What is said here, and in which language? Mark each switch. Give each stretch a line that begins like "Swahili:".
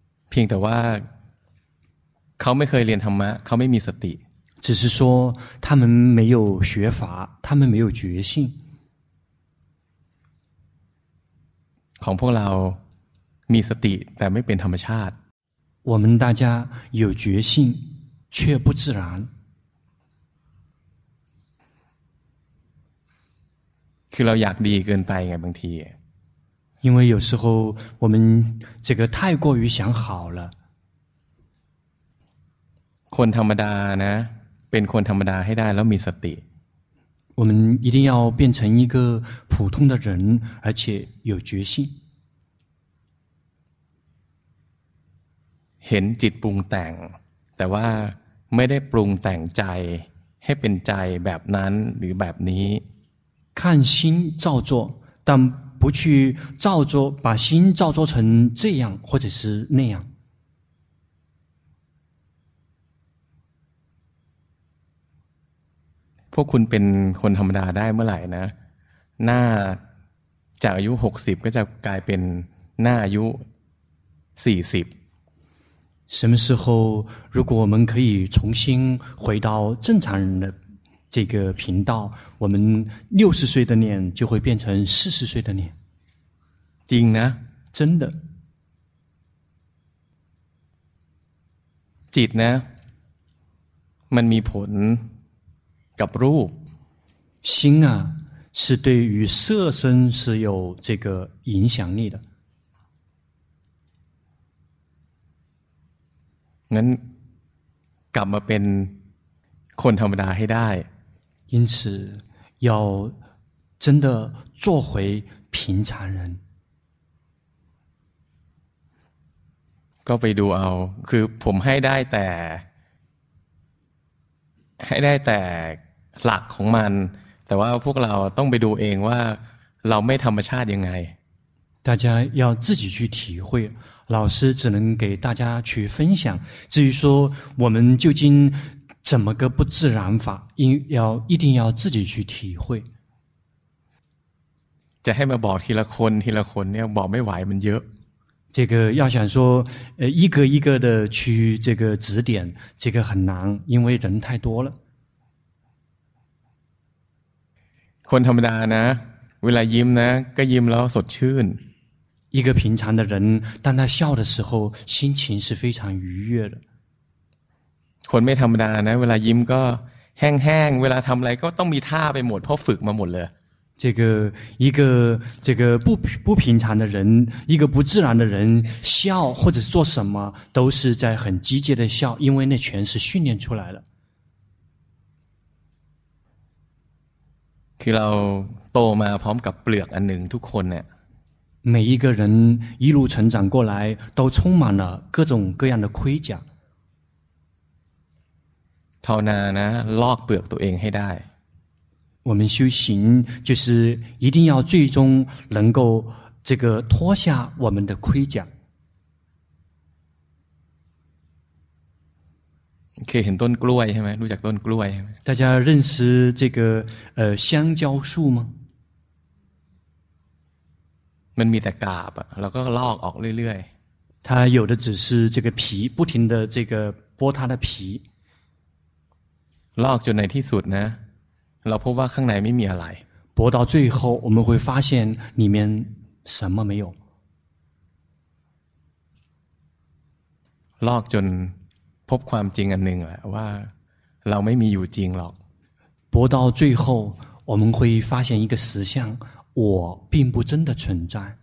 Thai: เพียงแต่ว่าเขาไม่เคยเรียนธรรมะเขาไม่มีสติ
Chinese: 只是说他们没有学法他们没有觉性
Thai: ของพวกเรามีสติแต่ไม่เป็นธรรมชาติ
Chinese: 我们大家有觉性却不自然
Thai: คือเราอยากดีเกินไปไงบางที
Chinese: 因为有时候我们这个太过于想好了
Thai: คนธรรมดานะเป็นคนธรรมดาให้ได้แล้วมีสติ
Chinese: 我们一定要变成一个普通的人而且有觉性
Thai: เห็นจิตปรุงแต่งแต่ว่าไม่ได้ปรุงแต่งใจให้เป็นใจแบบนั้นหรือแบบนี้
Chinese: 看心造作但不去造作把心造作成这样或者是那样
Thai: พวกคุณเป็นคนธรรมดาได้เมื่อไหร่นะหน้าจากอายุ60ก็จะกลายเป็นหน้าอายุ40
Chinese: 什么时候如果我们可以重新回到正常人的这个频道我们60岁的脸就会变成40岁的脸顶呢真的
Thai: จิต
Chinese: 呢
Thai: มันมีผลกับรูป
Chinese: 心啊是对于色身是有这个影响力的
Thai: งั้นกลับมาเป็นคนธรรมดาให้ได้
Chinese: 因此要真的做回平常人
Thai: ก็ไปดูเอาคือผมให้ได้แต่ให้ได้แต่หลักของมันแต่ว่าพวกเราต้องไปดูเองว่าเราไม่ธรรมชาติยังไง
Chinese: 大家要自己去体会老师只能给大家去分享至于说我们究竟怎么个不自然法要一定要自己去体会
Thai: จะให้มาบอกทีละคนทีละคนเนี่ยบอกไม่ไหวมันเยอะ
Chinese: 这个要想说一个一个的去这个指点这个很难因为人太多了
Thai: คนธรรมดานะเวลายิ้มนะก็ยิ้มแล้วสดชื่น
Chinese: 一个平常的人当他笑的时候心情是非常愉悦的
Thai: คนไม่ธรรมดานะเวลายิ้มก็แห้งๆเวลาทำอะไรก็ต้องมีท่าไปหมดเพราะฝึกมาหมดเลย
Chinese: 这个一个这个不平常的人一个不自然的人笑或者是做什么都是在很机械的笑因为那全是训练出来的
Thai: คือเราโตมาพร้อมกับเปลือกอันหนึ่งทุกคนเนี่ย
Chinese: 每一个人一路成长过来都充满了各种各样的盔甲
Thai: ภาวนานะลอกเปลือกตัวเองให้ได้
Chinese: 我们修行就是一定要最终能够这个脱下我们的盔甲可以
Thai: เห็นต้นกล้วยใช่ไหมรู้จักต้นกล้วยใช่ไหม
Chinese: 大家认识这个香蕉树吗
Thai: มันมีแต่กาบอ่ะแล้วก็ลอกออกเรื่อย
Chinese: ๆ它有的只是这个皮不停的这个剥它的皮
Thai: ลอกจนในที่สุดนะเราพบว่าข้างในไม่มีอะไร
Chinese: 剥到最后我们会发现里面什么没有
Thai: ลอกจนพบความจริงอันหนึ่งแหละว่าเราไม่มีอยู่จริงหรอก
Chinese: 剥到最后我们会发现一个实相我并不真的存在